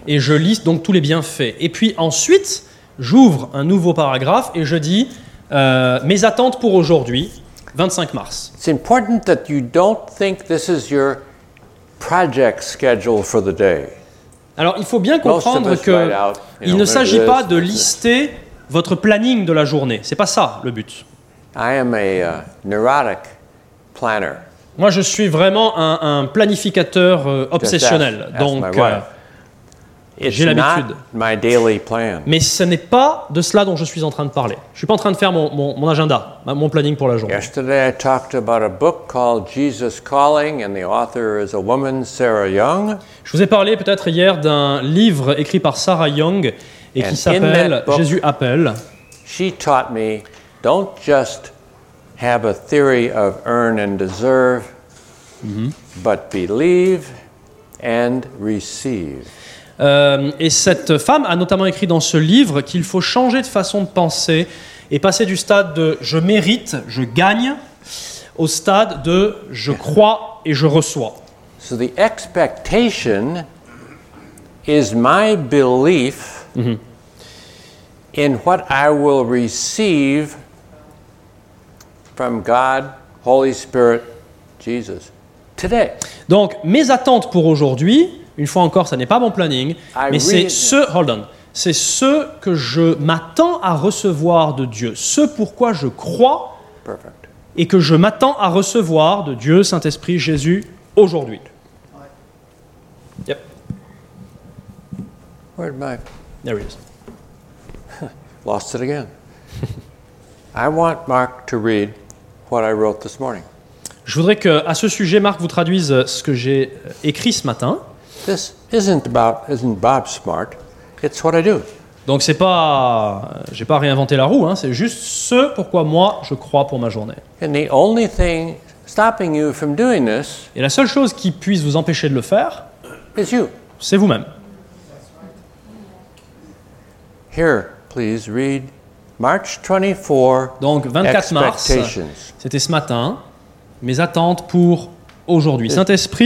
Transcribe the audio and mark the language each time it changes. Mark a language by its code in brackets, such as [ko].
[fr] Et je lis donc tous les bienfaits. Et puis ensuite. J'ouvre un nouveau paragraphe et je dis mes attentes pour aujourd'hui, 25 mars. [en] It's important that you don't think this is your project schedule for the day. [fr] Alors, il faut bien comprendre que il ne s'agit pas de lister votre planning de la journée. C'est pas ça le but. [en] I am a neurotic planner. [fr] Moi, je suis vraiment un planificateur obsessionnel. Donc, j'ai l'habitude. [en] My daily plan. [fr] Mais ce n'est pas de cela dont je suis en train de parler. Je suis pas en train de faire mon agenda, mon planning pour la journée. [en] Yesterday, I talked about a book called Jesus Calling, and the author is a woman, Sarah Young. [fr] Je vous ai parlé peut-être hier d'un livre écrit par Sarah Young et qui s'appelle Jésus appelle. [en] She taught me, don't just have a theory of earn and deserve, but believe and receive. [fr] Et cette femme a notamment écrit dans ce livre qu'il faut changer de façon de penser et passer du stade de je mérite, je gagne, au stade de je crois et je reçois. [en] So the expectation is my belief in what I will receive from God, Holy Spirit, Jesus, today. [fr] Donc, mes attentes pour aujourd'hui, une fois encore, ça n'est pas mon planning, mais c'est ce que je m'attends à recevoir de Dieu, ce pourquoi je crois [en] Perfect. [fr] Et que je m'attends à recevoir de Dieu, Saint-Esprit, Jésus, aujourd'hui. [en] Yep. Where am I? There he is. Lost it again. I want Mark to read what I wrote this morning. [fr] Je voudrais que, à ce sujet, Marc vous traduise ce que j'ai écrit ce matin. [en] This isn't Bob smart. It's what I do. [fr] Donc c'est pas, j'ai pas réinventé la roue, hein. C'est juste ce pourquoi moi je crois pour ma journée. [en] And the only thing stopping you from doing this. [fr] Et la seule chose qui puisse vous empêcher de le faire. [en] It's you. [fr] C'est vous-même. [en] Here, please read March 24. [fr] Donc 24 mars. C'était ce matin. Mes attentes pour aujourd'hui. Saint-Esprit.